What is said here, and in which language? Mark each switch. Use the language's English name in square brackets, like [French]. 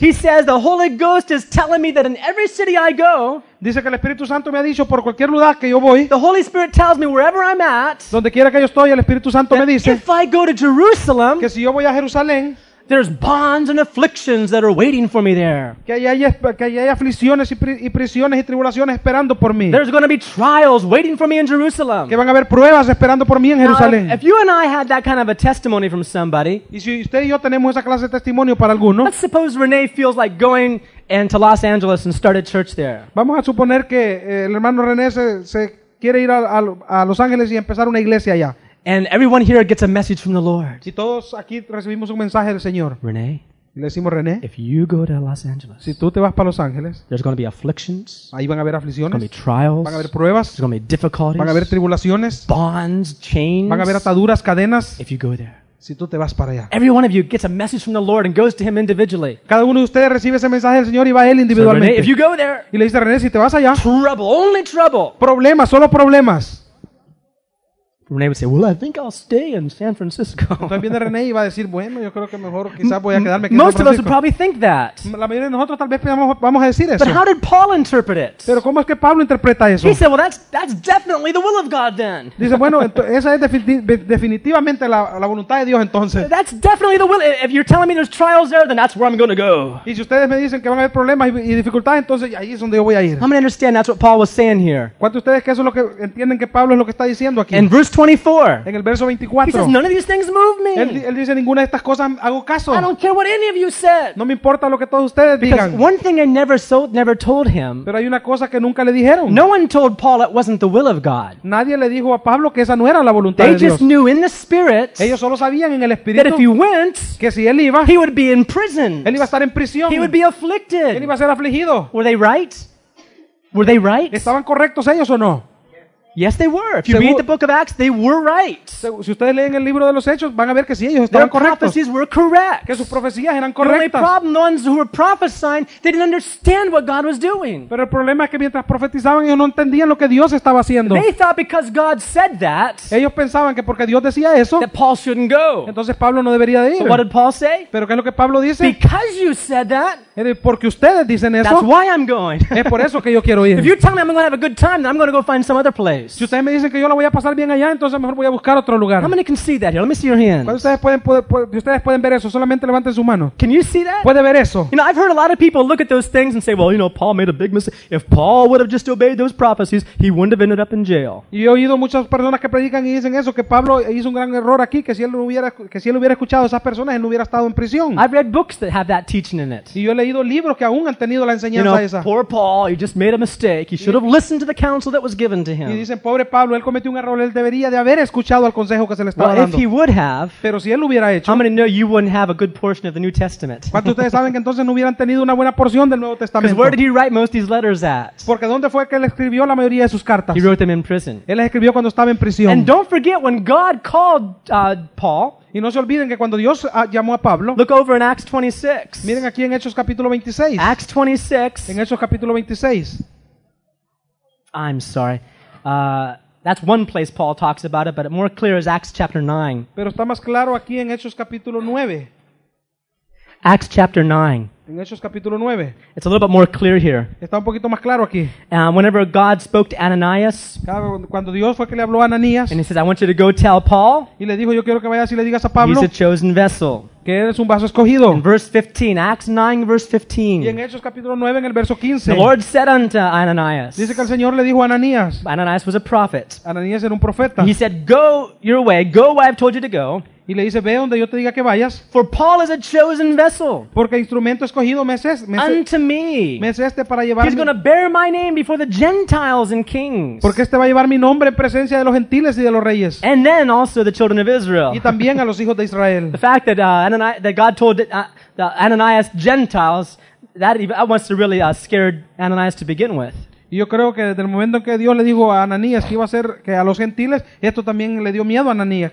[English] he says the Holy Ghost is telling me that in every city I go, [Spanish] dice que el Espíritu Santo me ha dicho por cualquier lugar que yo voy, [English] the Holy Spirit tells me wherever I'm at, [Spanish] donde quiera que yo estoy, el Espíritu Santo me dice, [English] if I go to Jerusalem, [Spanish] que si yo voy a Jerusalén, [English] there's bonds and afflictions that are waiting for me there. [Spanish] Que hay aflicciones y prisiones y tribulaciones esperando por mí. [English] There's going to be trials waiting for me in Jerusalem. [Spanish] Que van a haber pruebas esperando por mí en Jerusalén. [English] If you and I had that kind of a testimony from somebody, [Spanish] y si usted y yo tenemos esa clase de testimonio para alguno, [English] let's suppose Renee feels like going and to Los Angeles and start a church there. [Spanish] Vamos a suponer que el hermano René se quiere ir a Los Ángeles y empezar una iglesia allá. [English] And everyone here gets a message from the Lord. [Spanish] Y todos aquí recibimos un mensaje del Señor. [English] René, [Spanish] le decimos, René, [English] if you go to Los Angeles, [Spanish] si tú te vas para Los Ángeles, [English] there's going to be afflictions. [Spanish] Ahí van a haber aflicciones. [English] There's going to be trials. [Spanish] Van a haber pruebas. [English] There's going to be difficulties. [Spanish] Van a haber tribulaciones. [English] Bonds, chains. [Spanish] Van a haber ataduras, cadenas. [English] If you go there, [Spanish] si tú te vas para allá. [English] Every one of you gets a message from the Lord and goes to him individually. [Spanish] Cada uno de ustedes recibe ese mensaje del Señor y va a él individualmente. [English] So René, if you go there, [Spanish] y le dice, René, si te vas allá, [English] trouble, only trouble. [Spanish] Problemas, solo problemas. [English] Renee would say, "Well, I think I'll stay in San Francisco." [Spanish] Entonces viene René y va a decir, "Bueno, yo creo que mejor quizás voy a quedarme aquí." [English] Most of us would probably think that. [Spanish] La mayoría de nosotros tal vez vamos a decir eso. [English] But how did Paul interpret it? [Spanish] Pero ¿cómo es que Pablo interpreta eso? [English] He said, "Well, that's definitely the will of God then." [Spanish] Dice, "Bueno, esa es definitivamente la voluntad de Dios entonces." [English] That's definitely the will. If you're telling me there's trials there, then that's where I'm going to go. [Spanish] Y si ustedes me dicen que van a haber problemas y dificultades, entonces ahí es donde yo voy a ir. [English] I'm going to understand that's what Paul was saying here. [Spanish] ¿Cuántos de ustedes que eso es lo que entienden que Pablo es lo que está diciendo aquí? [English] In verse 24. [Spanish] En el verso 24. [English] He says, none of these things move me. [Spanish] Él dice, ninguna de estas cosas hago caso. [English] I don't care what any of you said. [Spanish] No me importa lo que todos ustedes [English] Because [Spanish] digan. [English] One thing I never told him. [Spanish] Pero hay una cosa que nunca le dijeron. [English] No one told Paul it wasn't the will of God. [Spanish] Nadie le dijo a Pablo que esa no era la voluntad [English] they [Spanish] de Dios. [English] They just knew in the spirit. [Spanish] Ellos solo sabían en el espíritu. [English] That if he went, [Spanish] que si él iba, [English] he would be in prison. [Spanish] Él iba a estar en prisión. [English] He would be afflicted. [Spanish] Él iba a ser afligido. [English] Were they right? Were they right? [Spanish] ¿Estaban correctos ellos o no? [English] Yes, they were. If you read the book of Acts, they were right. [Spanish] Si ustedes leen el libro de los Hechos, van a ver que sí, ellos estaban correctos. [English] Their prophecies were correct. [Spanish] Que sus profecías eran correctas. [English] The only problem, the ones who were prophesying, they didn't understand what God was doing. [Spanish] Pero el problema es que mientras profetizaban, ellos no entendían lo que Dios estaba haciendo. [English] They thought because God said that, [Spanish] ellos pensaban que porque Dios decía eso, [English] that Paul shouldn't go. [Spanish] Entonces Pablo no debería de ir. [English] So what did Paul say? [Spanish] Pero ¿qué es lo que Pablo dice? [English] Because you said that, [Spanish] porque ustedes dicen eso, [English] that's why I'm going. [Spanish] Es por eso que yo quiero ir. [English] If you tell me I'm going to have a good time, then I'm going to go find some other place. [Spanish] Si ustedes me dicen que yo la voy a pasar bien allá, entonces mejor voy a buscar otro lugar. [English] How many can see that here? Let me see your hands. [Spanish] ¿Cuántos ustedes pueden ver eso? Solamente levanten su mano. [English] Can you see that? [Spanish] ¿Puede ver eso? [English] You know, I've heard a lot of people look at those things and say, well, you know, Paul made a big mistake. If Paul would have just obeyed those prophecies, he wouldn't have ended up in jail. [Spanish] Y he oído muchas personas que predican y dicen eso, que Pablo hizo un gran error aquí, que si él hubiera escuchado a esas personas, él no hubiera estado en prisión. [English] I've read books that have that teaching in it. [Spanish] Y yo he leído libros que aún han tenido la enseñanza esa. [English] Poor Paul, he just made a mistake. He should have listened to the counsel that was given to him. [Spanish] Dicen, pobre Pablo, él cometió un error, él debería de haber escuchado al consejo que se le estaba dando. [English] Well, if he would have, [Spanish] pero si él lo hubiera hecho, [English] how many know you wouldn't have a good portion of the New Testament? [Spanish] ¿Cuántos ustedes saben que entonces no hubieran tenido una buena porción del Nuevo Testamento? [English] Because where did he write most of these letters at? [Spanish] Porque ¿dónde fue que él escribió la mayoría de sus cartas? [English] He wrote them in prison. [Spanish] Él las escribió cuando estaba en prisión. [English] And don't forget when God called Paul. [Spanish] Y no se olviden que cuando Dios llamó a Pablo. [English] Look over in Acts 26. [Spanish] Miren aquí en Hechos capítulo 26. [English] Acts 26. [Spanish] En Hechos capítulo 26. [English] I'm sorry. That's one place Paul talks about it, but more clear is Acts chapter 9. [Spanish] Pero está más claro aquí en Hechos capítulo 9. [English] Acts chapter 9. [Spanish] En Hechos capítulo 9. [English] It's a little bit more clear here. [Spanish] Está un poquito más claro aquí. [English] Whenever God spoke to Ananias. [Spanish] Cuando Dios fue que le habló a Ananias. [English] And he says, I want you to go tell Paul. [Spanish] Y le dijo, yo quiero que vayas y le digas a Pablo. [English] He's a chosen vessel. [Spanish] Que eres un vaso escogido. [English] In verse 15, Acts 9, verse 15. [Spanish] Y en Hechos capítulo 9, en el verso 15. [English] The Lord said unto Ananias. [Spanish] Dice que el Señor le dijo a Ananias. [English] Ananias was a prophet. [Spanish] Ananias era un profeta. [English] He said, go your way, go where I've told you to go. [Spanish] Y le dice, ve donde yo te diga que vayas. [English] For Paul is a chosen vessel. [Spanish] Porque instrumento escogido me es [English] unto me. [Spanish] Me es este para llevar. [English] He's going to bear my name before the Gentiles and kings. [Spanish] Porque este va a llevar mi nombre en presencia de los gentiles y de los reyes. [English] And then also the children of Israel. [Spanish] Y también a los hijos de Israel. [English] The fact that Ananias Gentiles, that must have really scared Ananias to begin with. [Spanish] Yo creo que desde el momento en que Dios le dijo a Ananías que iba a ser que a los gentiles, esto también le dio miedo a Ananías.